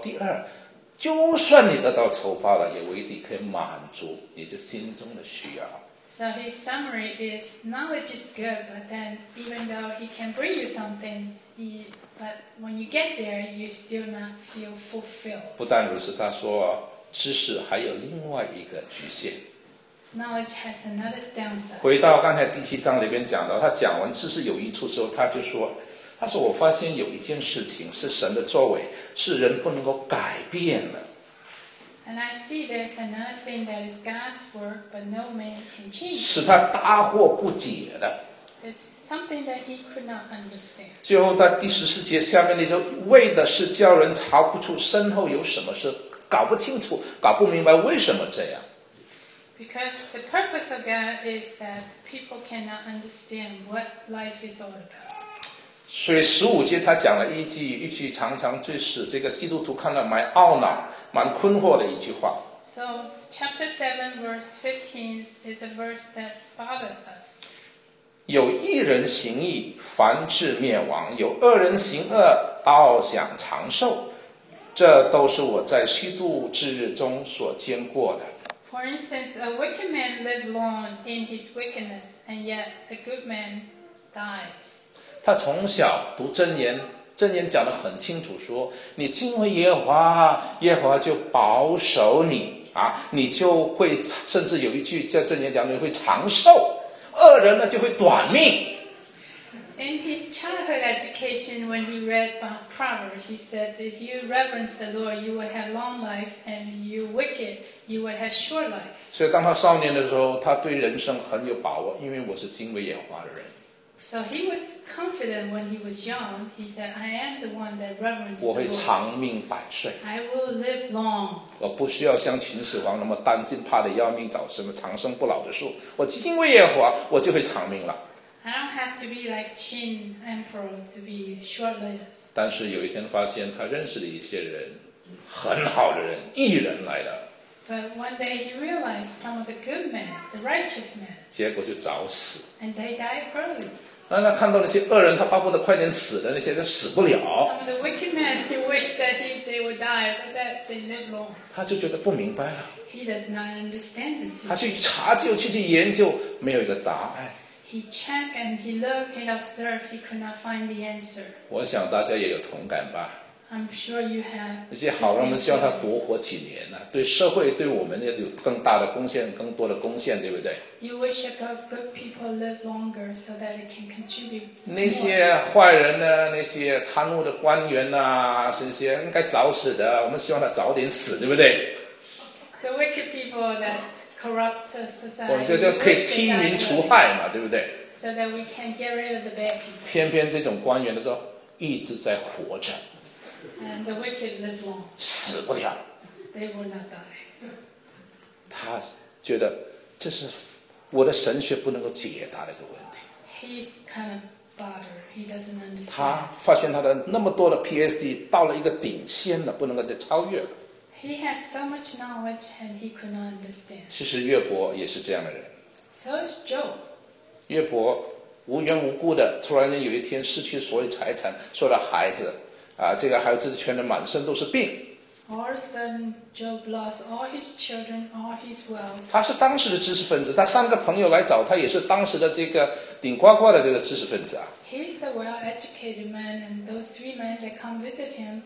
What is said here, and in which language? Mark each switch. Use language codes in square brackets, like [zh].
[zh] 第二，就算你得到酬报了，也未必可以满足你这心中的需要。 [en] So his summary is knowledge is good, but then even though he can bring you something, but when you get there, you still not feel fulfilled. [zh] 不但如此，他说知识还有另外一个局限。 [en] Knowledge has another downside. [zh] 回到刚才第七章里边讲到，他讲完知识有益处之后，他说我发现有一件事情是神的作为，是人不能够改变的。 [en] And I see there's another thing that is God's work, but no man can change. [zh] 使他大惑不解的。 [en] It's something that he could not understand. [zh] 最后在第十四节下面那就为的是叫人查不出身后有什么事，搞不清楚，搞不明白为什么这样。 [en] Because the purpose of God is that people cannot understand what life is all about. [zh] 所以十五节他讲了一句常常最使这个基督徒看到蛮懊恼蛮困惑的一句话。 [en] So, chapter 7, verse 15 is a verse that bothers us. [zh] 有一人行义凡至灭亡，有二人行恶倒想长寿，这都是我在虚度之日中所见过的。 [en] For instance, a wicked man lived long in his wickedness, and yet a good man dies. [zh] 他从小读箴言，箴言讲得很清楚，说你敬畏耶和华，耶和华就保守你啊，你就会，甚至有一句在箴言讲你会长寿，恶人呢就会短命。 [en] In his childhood education, when he read Proverbs, he said, if you reverence the Lord, you will have long life, and you wicked, you will have short life. [zh] 所以当他少年的时候，他对人生很有把握，因为我是敬畏耶和华的人。 [en] So he was confident when he was young. He said, I am the one that reverences the [zh] Lord. 我会长命百岁。 [en] I will live long. [zh] 我不需要像秦始皇那么担惊怕的要命，找什么长生不老的树。我敬畏耶和华，我就会长命了。 [en] I don't have to be like Qin Emperor to be short-lived. [zh] 但是有一天发现他认识的一些人，很好的人，义人来的。 [en] But one day he realized some of the good men, the righteous men. [zh] 结果就早死。 [en] And they died early. [zh] 那他看到那些恶人，他巴不得快点死的那些，他死不了。 [en] Some of the wicked men, he wished that they would die, but that they lived long. [zh] 他就觉得不明白了。 [en] He does not understand this. [zh] 他去查究，去研究，没有一个答案。 [en] He checked and he looked and observed, he could not find the answer. [zh] 我想大家也有同感吧。 [en] I'm sure you have. [zh] 那些好人们希望他多活几年呢、啊，对社会，对我们也有更大的贡献，更多的贡献，对不对 [en] ？You wish that good people live longer so that it can contribute. [zh] 那些坏人呢？那些贪污的官员呐、啊，这些应该早死的。我们希望他早点死，对不对 [en] ？The wicked people that corrupt society. [zh] 我们就可以替民除害嘛，对不对 [en] ？So that we can get rid of the bad people. [zh] 偏偏这种官员的时候一直在活着。 [en] And the wicked live long. [zh] 死不了。 [en] They will not die. [zh] 他觉得这是我的神学不能够解答的一个问题。 [en] He's kind of bothered. He doesn't understand. [zh] 他发现他的那么多的 PhD 到了一个顶尖了，不能够再超越了。 [en] He has so much knowledge and he could not understand. [zh] 其实约伯也是这样的人。 [en] So is Job. [zh] 约伯无缘无故的突然间有一天失去所有财产，所有的孩子。啊，这个还有这些全人满身都是病。 [en] All of a sudden, Job lost all his children, all his wealth. [zh] 他是当时的知识分子，他三个朋友来找他，也是当时的这个顶呱呱的这个知识分子啊。 [en] He's a well-educated man, and those three men that come visit him.